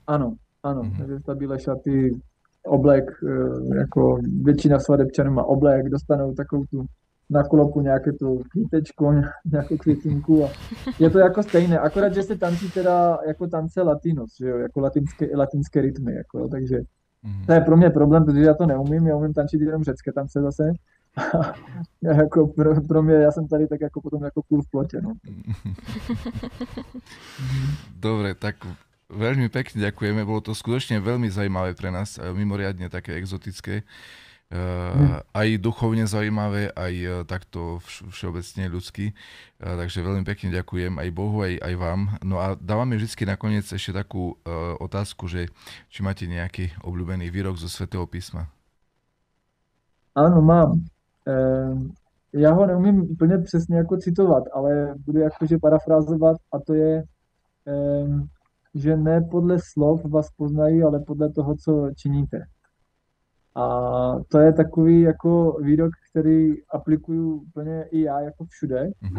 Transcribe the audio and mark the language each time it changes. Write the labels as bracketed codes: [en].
[cs] Ano, takže bílé šaty, oblek, jako většina svatebčanů má oblek, dostanou takovou tu na klopu nějaké to kvítečko, nějakou květinku a je to jako stejné, akorát, že se tančí teda jako tance latinos, že jo, jako latinské rytmy, jako jo, takže to je pro mě problém, protože já to neumím, já umím tančit jenom řecké tance zase a jako pro mě, já jsem tady tak jako potom jako kůl v plotě, no. [sk] Dobre, tak veľmi pekne ďakujeme. Bolo to skutočne veľmi zaujímavé pre nás, mimoriadne také exotické. Aj duchovne zaujímavé, aj takto všeobecne ľudský. Takže veľmi pekne ďakujem aj Bohu, aj vám. No a dávame vždy nakoniec ešte takú otázku, že či máte nejaký obľúbený výrok zo Svätého písma. Áno, mám. [cs] Já ho neumím úplně přesně jako citovat, ale budu jakože parafrázovat a to je, že ne podle slov vás poznají, ale podle toho, co činíte. A to je takový jako výrok, který aplikuju úplně i já jako všude.